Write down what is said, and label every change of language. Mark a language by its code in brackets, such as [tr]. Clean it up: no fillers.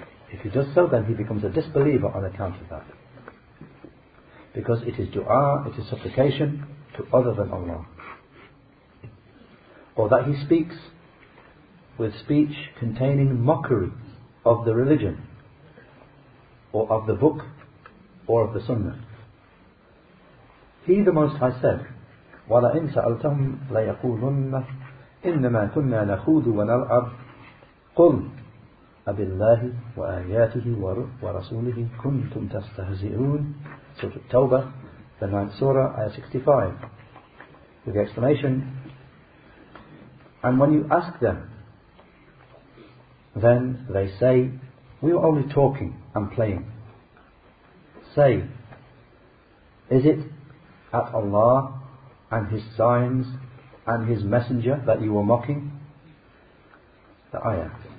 [en] If he does so, then he becomes a disbeliever on account of that. Because it is dua, it is supplication to other than Allah. Or that he speaks with speech containing mockery of the religion, or of the book, or of the sunnah. [ar] He the Most High said, وَلَئِنْ سَأَلْتَهُمْ لَيَقُولُنَّ إِنَّمَا كُنَّا نَخُوذُ وَنَلْعَبُ قُلْ أَبِاللَّهِ وَآيَاتِهِ وَرَسُولِهِ كُنْتُمْ تَسْتَهْزِئُونَ [en] Surah At-Tawbah, the 9th Surah, Ayah 65. With the explanation, and when you ask them, then they say, we were only talking and playing. Say, is it at Allah and His signs and His messenger that you were mocking? The ayah.